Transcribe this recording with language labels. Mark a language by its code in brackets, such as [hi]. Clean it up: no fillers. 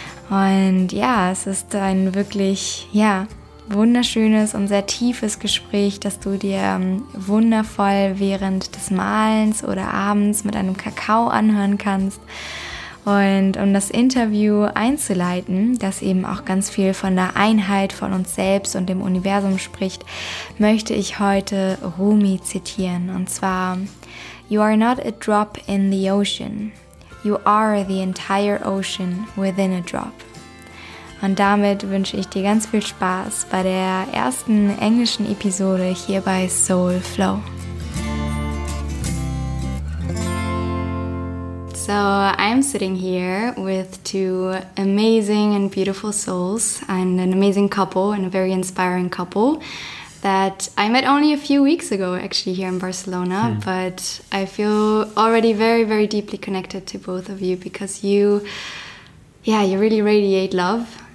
[de] Und ja, es ist ein wirklich, ja, wunderschönes und sehr tiefes Gespräch, das du dir wundervoll während des Malens oder abends mit einem Kakao anhören kannst. Und um das Interview einzuleiten, das eben auch ganz viel von der Einheit von uns selbst und dem Universum spricht, möchte ich heute Rumi zitieren. Und zwar: [en] You are not a drop in the ocean. You are the entire ocean within a drop. [de] Und damit wünsche ich dir ganz viel Spaß bei der ersten englischen Episode hier bei Soul Flow. [en] So, I'm sitting here with two amazing and beautiful souls and an amazing couple and a very inspiring couple that I met only a few weeks ago actually here in Barcelona. Hmm. But I feel already very, very deeply connected to both of you because you really radiate love.